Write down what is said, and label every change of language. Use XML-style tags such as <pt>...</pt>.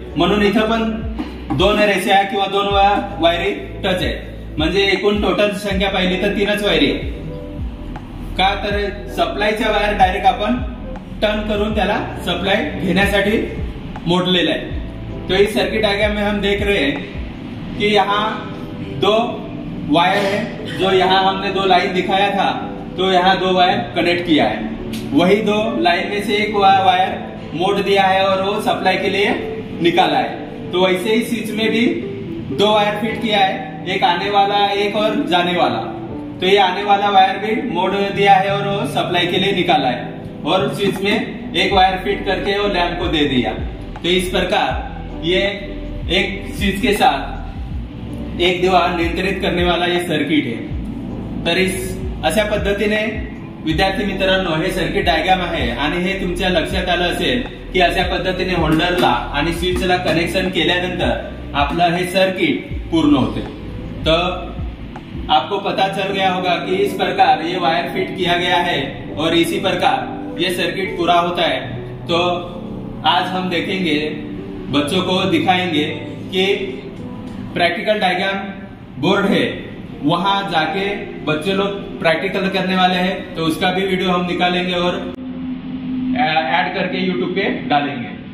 <mr>म्हणून इथं पण दोन रेषा आहे किंवा दोन वायरी टच आहे, म्हणजे एकूण टोटल संख्या पाहिली तर तीनच वायरी आहे. का तर सप्लायच्या वायर डायरेक्ट आपण टर्न करून त्याला सप्लाय घेण्यासाठी मोडलेला आहे.</mr> <hi>तो ही सर्किट डायग्राम में हम देख रहे हैं कि यहाँ दो वायर है, जो यहाँ हमने दो लाइन दिखाया था तो यहाँ दो वायर कनेक्ट किया है, वही दो लाइन में से एक वायर मोड दिया है और वो सप्लाई के लिए निकाला है। तो वैसे ही स्विच में भी दो वायर फिट किया है, एक आने वाला एक और जाने वाला। तो ये आने वाला वायर भी मोड दिया है और वो सप्लाई के लिए निकाला है और स्विच में एक वायर फिट करके वो लैंप को दे दिया। तो इस प्रकार ये एक स्विच के साथ एक दीवार नियंत्रित करने वाला ये सर्किट है।</hi> <mr>तर इस अशा पद्धति ने विद्यार्थी मित्रांनो हे सर्किट डायग्राम आहे आणि हे तुमच्या लक्षात आलं असेल की अशा पद्धतीने होल्डरला आणि स्विचला कनेक्शन केल्यानंतर आपलं हे सर्किट पूर्ण होते।</mr> <hi>तो आपको पता चल गया होगा कि इस प्रकार ये वायर फिट किया गया है और इसी प्रकार ये सर्किट पूरा होता है। तो आज हम देखेंगे, बच्चों को दिखाएंगे कि प्रैक्टिकल डायग्राम बोर्ड है वहां जाके बच्चे लोग प्रैक्टिकल करने वाले हैं, तो उसका भी वीडियो हम निकालेंगे और ऐड करके यूट्यूब पे डालेंगे।</hi>